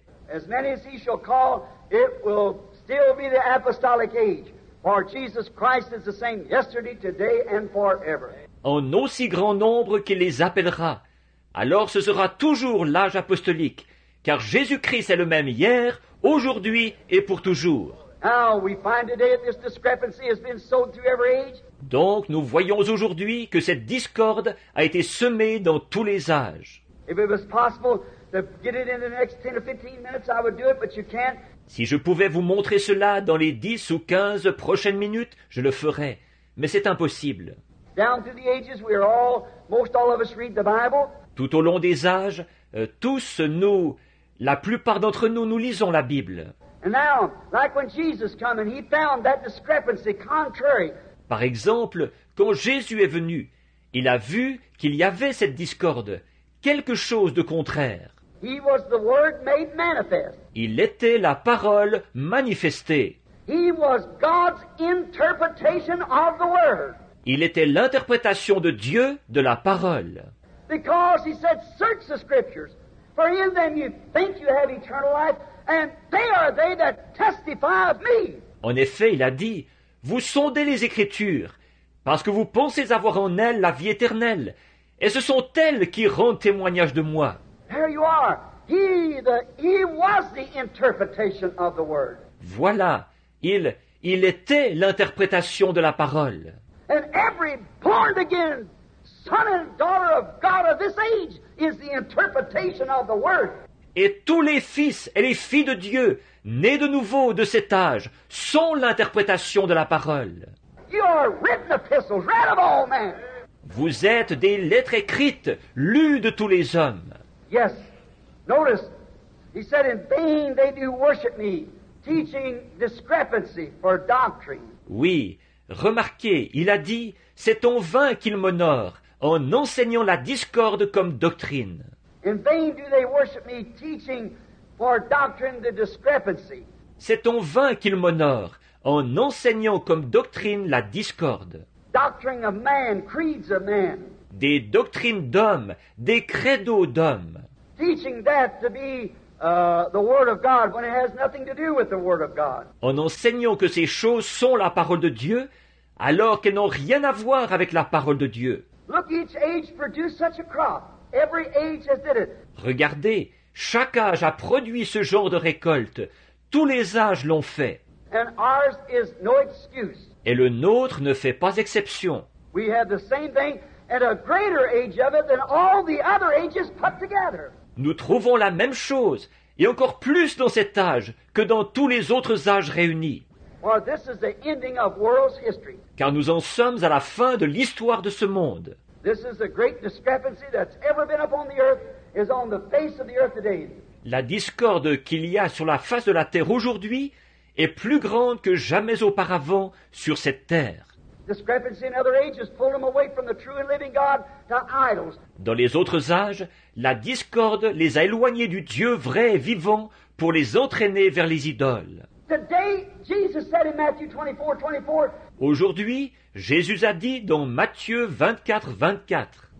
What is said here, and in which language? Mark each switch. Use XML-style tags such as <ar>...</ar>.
<en>As many as he shall call, it will still be the apostolic age. For Jesus Christ is the same yesterday, today, and forever.</en> <fr>En aussi grand nombre qu'il les appellera, alors ce sera toujours l'âge apostolique, car Jésus-Christ est le même hier, aujourd'hui et pour toujours.</fr> <en>Now we find today that this discrepancy has been sowed through every age.</en> <fr>Donc nous voyons aujourd'hui que cette discorde a été semée dans tous les âges.</fr> <en>If it was possible to get it in the next 10 or 15 minutes, I would do it, but you can't.</en> <fr>Si je pouvais vous montrer cela dans les 10 ou 15 prochaines minutes, je le ferais. Mais c'est impossible.</fr> <en>Down through the ages, we are all, most all of us read the Bible.</en> <fr>Tout au long des âges, tous nous, la plupart d'entre nous, nous lisons la Bible.</fr> <en>And now, like when Jesus came and he found that discrepancy contrary.</en> <fr>Par exemple, quand Jésus est venu, il a vu qu'il y avait cette discorde, quelque chose de contraire.</fr> <en>He was the word made manifest.</en> <fr>Il était la parole manifestée.</fr> <en>He was God's interpretation of the word.</en> <fr>Il était l'interprétation de Dieu de la parole.</fr> <en>Because he said, search the scriptures, for in them you think you have eternal life, and they are they that testify of me.</en> <fr>En effet, il a dit, vous sondez les écritures, parce que vous pensez avoir en elles la vie éternelle, et ce sont elles qui rendent témoignage de moi.</fr> <en>There you are. He was the interpretation of the word.</en> <fr>Voilà, il était l'interprétation de la parole.</fr> <en>And every born again son and daughter of God of this age is the interpretation of the word.</en> <fr>Et tous les fils et les filles de Dieu nés de nouveau de cet âge sont l'interprétation de la parole.</fr> <en>You are written epistles, read of all men.</en> <fr>Vous êtes des lettres écrites, lues de tous les hommes.</fr> <en>Yes. Notice, he said, in vain they do worship me, teaching discrepancy for doctrine.</en> <fr>Oui, remarquez, il a dit, c'est en vain qu'ils m'honorent, en enseignant la discorde comme doctrine.</fr> <en>In vain do they worship me, teaching for doctrine the discrepancy.</en> <fr>C'est en vain qu'ils m'honorent, en enseignant comme doctrine la discorde.</fr> <en>Doctrine of man, creeds of man.</en> <fr>Des doctrines d'hommes, des credos d'hommes.</fr> <en>Teaching that to be the word of God when it has nothing to do with the word of God.</en> <fr>En enseignant que ces choses sont la parole de Dieu, alors qu'elles n'ont rien à voir avec la parole de Dieu.</fr> <en>Look, each age produced such a crop. Every age has did it.</en> <fr>Regardez, chaque âge a produit ce genre de récolte. Tous les âges l'ont fait.</fr> <en>And ours is no excuse.</en> <fr>Et le nôtre ne fait pas exception.</fr> <en>We have the same thing. And a greater age of it than all the other ages put together.</en> <fr>Nous trouvons la même chose, et encore plus dans cet âge, que dans tous les autres âges réunis.</fr> <en>For this is the ending of world's history.</en> <fr>Car nous en sommes à la fin de l'histoire de ce monde.</fr> <en>This is the great discrepancy that's ever been upon the earth, is on the face of the earth today.</en> <fr>La discorde qu'il y a sur la face de la terre aujourd'hui est plus grande que jamais auparavant sur cette terre.</fr> <en>Discrepancy in other ages pulled them away from the true and living God to idols.</en> <fr>Dans les autres âges, la discorde les a éloignés du Dieu vrai et vivant pour les entraîner vers les idoles.</fr> <en>Today, Jesus said in Matthew 24:24.</en> <fr>Aujourd'hui, Jésus a dit dans Matthieu 24:24.</fr>